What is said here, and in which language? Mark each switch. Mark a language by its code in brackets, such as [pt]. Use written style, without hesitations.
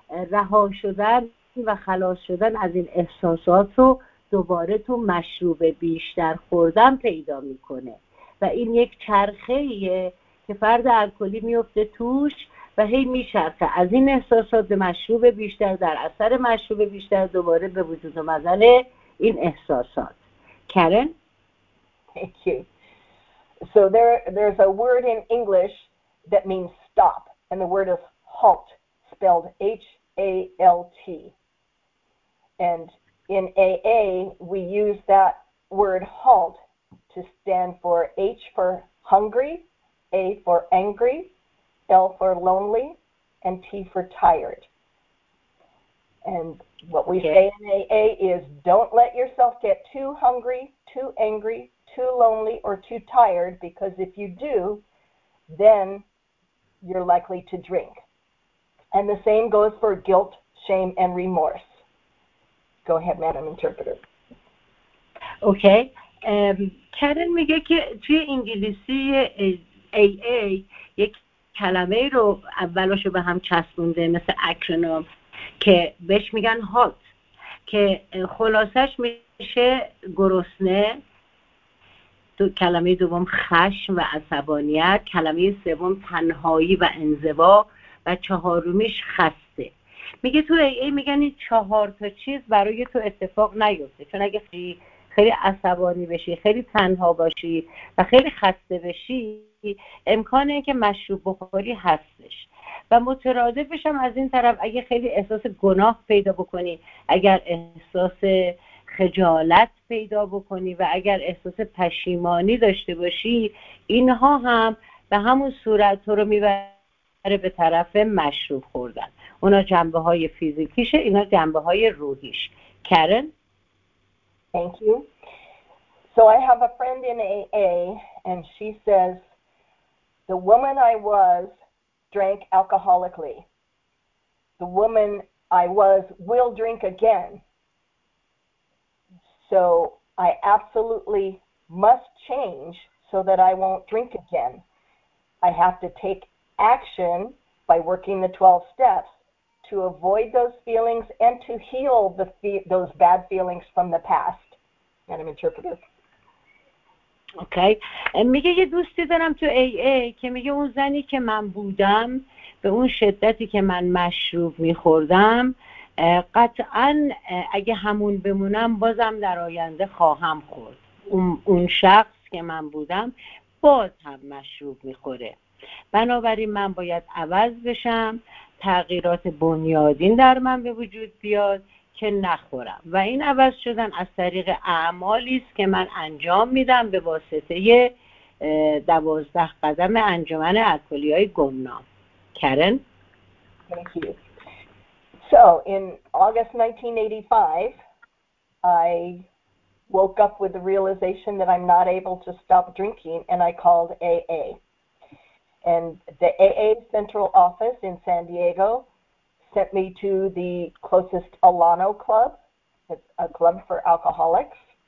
[fa] رها شدن و خلاص شدن از این احساسات رو دوباره تو مشروب بیشتر خوردن پیدا میکنه و این یک چرخه‌ایه که فرد الکلی میفته توش و هی میچرخه، از این احساسات به مشروب بیشتر، در اثر مشروب بیشتر دوباره به وجود اومدن این احساسات. کارن؟ [en] Thank you. So there's a word in English that means stop, and the word is halt, spelled H-A-L-T. And in AA, we use that word halt to stand for H for hungry, A for angry, L for lonely, and T for tired. And what we say in AA is don't let yourself get too hungry, too angry, too lonely, or too tired, because if you do, then you're likely to drink. And the same goes for guilt, shame, and remorse. Go ahead, Madam Interpreter. Okay. [fa] Karen میگه که توی انگلیسی AA یک کلمه رو اولش به هم چسبونده مثل اکرونوم که بهش میگن HALT که خلاصش میشه گرسنه، دو کلمه دوم خشم و عصبانیت، کلمه سوم تنهایی و انزوا و چهارمیش خسته. میگه تو ای ای میگن این چهار تا چیز برای تو اتفاق نیفته، چون اگه خیلی عصبانی بشی، خیلی تنها باشی و خیلی خسته بشی، امکانه که مشروب بخوری هستش. و مترادفش هم از این طرف اگه خیلی احساس گناه پیدا بکنی، اگر احساس خجالت پیدا بکنی و اگر احساس پشیمانی داشته باشی، اینها هم به همون صورت تو رو میبره به طرف مشروب خوردن. اونا جنبه های فیزیکیشه، اینا جنبه های روحیش. کارن؟ [en] Thank you. So I have a friend in AA, and she says, the woman I was drank alcoholically. The woman I was will drink again. So I absolutely must change so that I won't drink again. I have to take action by working the 12 steps to avoid those feelings and to heal the those bad feelings from the past. Madam Interpreter. Okay. [fa] میگه یه دوستی دارم تو ای ای که میگه اون زنی که من بودم به اون شدتی که من مشروب میخوردم قطعا اگه همون بمونم بازم در آینده خواهم خورد. اون شخص که من بودم باز هم مشروب میخوره، بنابراین من باید عوض بشم، تغییرات بنیادین در من به وجود بیاد که نخورم. و این عوض شدن از طریق اعمالی است که من انجام میدم به واسطه 12 قدم انجمن الکلی‌های گمنام. کارن؟ [en] Thank you. So in August 1985, I woke up with the realization that I'm not able to stop drinking, and I called AA. And the AA central office in San Diego sent me to the closest Alano club, a club for alcoholics.